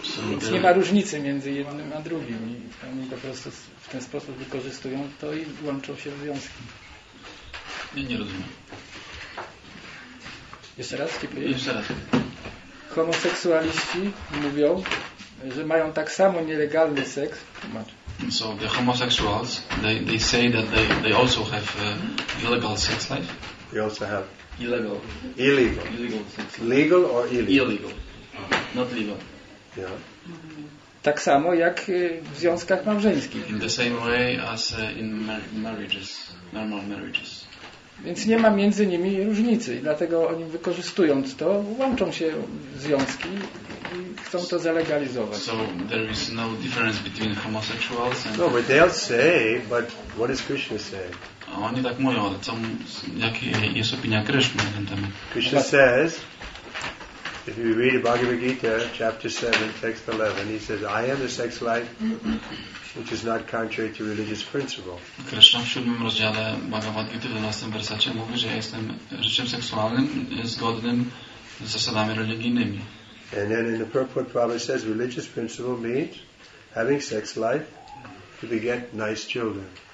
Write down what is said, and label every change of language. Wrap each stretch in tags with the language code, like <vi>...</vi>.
<pl>Więc nie ma różnicy między jednym a drugim. I oni po prostu w ten sposób wykorzystują to i łączą się w związki. Nie rozumiem. Jeszcze raz? Jeszcze raz. Homoseksualiści mówią, że mają tak samo nielegalny seks.</pl> <en>So the homosexuals, they say that they also have illegal sex life. They also have illegal sex. Legal or illegal? Illegal. Not legal. Yeah.</en> <pl>Tak samo jak w związkach małżeńskich.</pl> <en>In the same way as in marriages, normal marriages.</en> <pl>Więc nie ma między nimi różnicy. Dlatego oni wykorzystując to, łączą się związki i chcą to zalegalizować.</pl> <en>So there is no difference between homosexuals and... No, but they'll say, but what does Krishna say?</en> <pl>Oni tak mówią, ale jaka jest opinia Krishna na ten temat?</pl> <en>Krishna says, if you read Bhagavad Gita, chapter 7, text 11, he says, I am the sex life... which is not contrary to religious principle.</en> <pl>Krishna w 7 rozdziale Bhagavad Gita w 12 wersacie mówi, że jestem życiem seksualnym zgodnym z zasadami religijnymi.</pl> <en>And then in the purport, Prabhupada says religious principle means having sex life to beget nice children.</en>